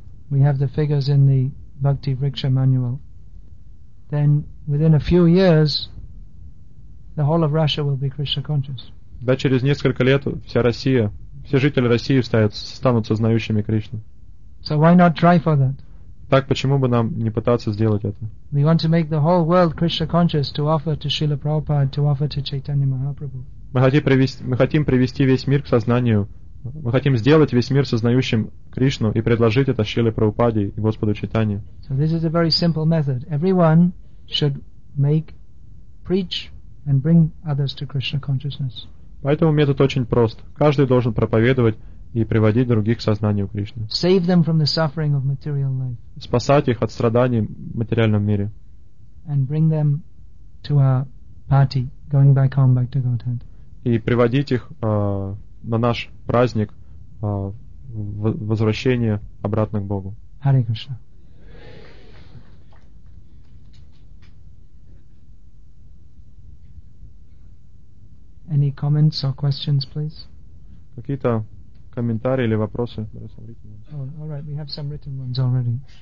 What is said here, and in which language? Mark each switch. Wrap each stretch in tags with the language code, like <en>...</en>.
<en>we have the figures in the Bhakti Vriksha manual. Then within a few years the whole of Russia will be Krishna conscious.</en> <ru>Да, через несколько лет вся Россия, все жители России станут сознающими Кришну.</ru> <en>So why not try for that?</en> <ru>Так почему бы нам не пытаться сделать это?</ru> <en>We want to make the whole world Krishna conscious, to offer to Srila Prabhupada, to offer to Chaitanya Mahaprabhu.</en> <ru>Мы хотим привести весь мир к сознанию. Мы хотим сделать весь мир сознающим Кришну и предложить это Шриле Прабхупаде и Господу Чайтанье.</ru> <en>So this is a very simple method. Everyone should make, preach and bring others to Krishna consciousness.</en> <ru>Поэтому метод очень прост. Каждый должен проповедовать и приводить других к сознанию Кришны.</ru> <en>Save them from the suffering of material life.</en> <ru>Спасать их от страданий в материальном мире.</ru> <en>And bring them to our party, going back home, back to Godhead.</en> <ru>И приводить их на наш праздник возвращения обратно к Богу. Харе Кришна.</ru> <en>Any comments or questions, please?</en> <ru>Какие-то комментарии или вопросы?</ru> <en>Oh, all right, we have some written ones already.</en>